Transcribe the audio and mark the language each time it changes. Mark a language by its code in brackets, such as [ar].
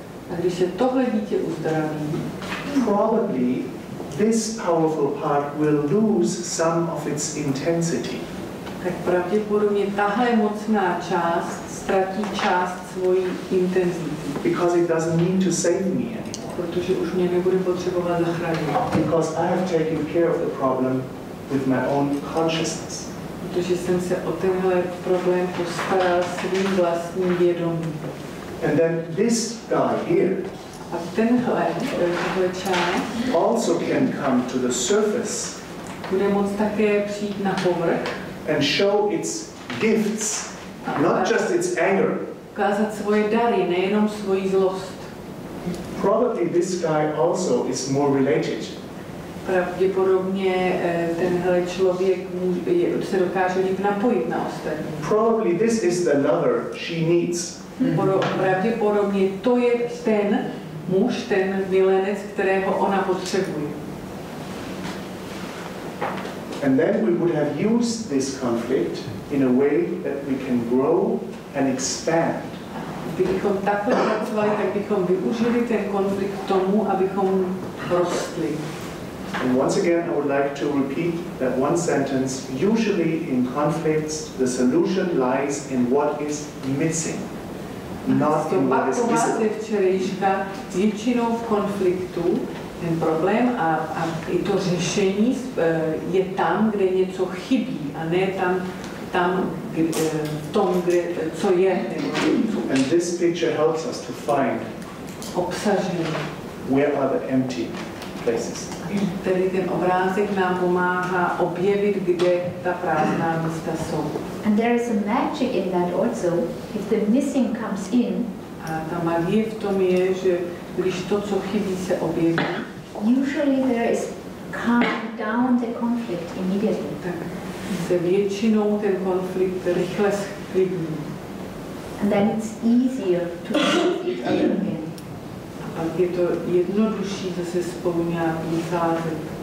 [cs] a když se tohle dítě uzdraví, [en] probably this powerful part will lose some of its intensity. [cs] Tak pravděpodobně tahle mocná část ztratí část svojí intenzity. [en] Because it doesn't need to save me anymore. [cs] Protože už mě nebude potřebovat zachránit. [en] Because I have taken care of the problem with my own consciousness. [cs] Protože jsem se o tenhle problém postaral svým vlastním vědomím. [en] And then this guy here, [cs] a tenhle, tohle část, [en] also can come to the surface, [cs] bude moct také přijít na povrch, [en] and show its gifts, not just its anger. [cs] Ukázat svoje dary, nejenom svoji zlost. [en] Probably this guy also is more related. [cs] Pravděpodobně tenhle člověk se dokáže líp napojit na ostatní. [en] Probably this is the lover she needs. [cs] Pravděpodobně to je ten muž, ten milenec, kterého ona potřebuje. [en] And then we would have used this conflict in a way that we can grow and expand. [cs] Kdybychom takhle pracovali, tak bychom využili ten konflikt k tomu, abychom rostli. [en] And once again, I would like to repeat that one sentence. Usually in conflicts, the solution lies in what is missing, not in what is visible. [cs] Včerejška, většinou v konfliktu, ten problém a i to řešení je tam, kde něco chybí, a ne tam kde, tom, kde, co je. [en] And this picture helps us to find [cs] obsažení. [en] Where are the empty places. [cs] Tedy ten obrázek nám pomáhá objevit, kde ta prázdná místa jsou. [en] And there is a magic in that also, if the missing comes in. [cs] A ta magie v tom je, že když to, co chybí, se objeví. [en] Usually there is calm down the conflict immediately. [cs] Tak se většinou ten konflikt rychle schlidní. [en] And then it's easier to it again. [cs] Pak je to jednodušší zase spolu nějak vycházet.